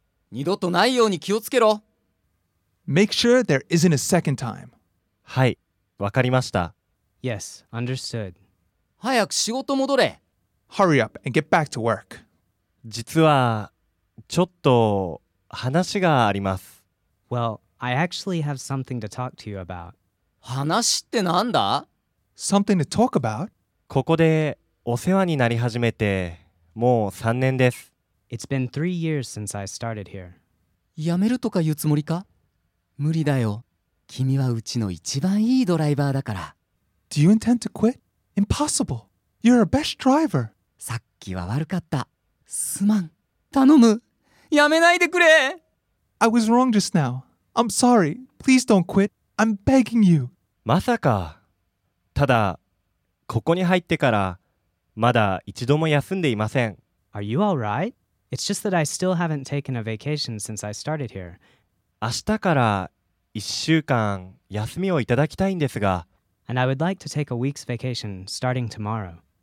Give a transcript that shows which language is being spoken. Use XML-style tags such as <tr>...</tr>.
<ja>二度とないように気をつけろ。</ja> <en>Make sure there isn't a second time.</en> <ja>はい、わかりました。</ja> <en>Yes, understood.</en> <ja>早く仕事戻れ。</ja> <en>Hurry up and get back to work.</en> <ja>実は、ちょっと話があります。</ja> <en>Well, I actually have something to talk to you about.</en> <ja>話ってなんだ？</ja> <en>Something to talk about?</en> <ja>ここでお世話になり始めてもう3年です。</ja> <en>It's been 3 years since I started here.</en> <ja>辞めるとか言うつもりか？無理だよ。君はうちの一番いいドライバーだから。</ja> <en>Do you intend to quit? Impossible. You're our best driver.</en> <ja>さっきは悪かった。すまん。頼む。辞めないでくれ。</ja> <en>I was wrong just now. I'm sorry. Please don't quit. I'm begging you.</en> <ja>まさか。ただ、ここに入ってからまだ一度も休んでいません。</ja> <en>Are you all right? It's just that I still haven't taken a vacation since I started here.</en> <ja>明日から1週間休みをいただきたいんですが。</ja> <en>And I would like to take a week's vacation starting tomorrow.</en>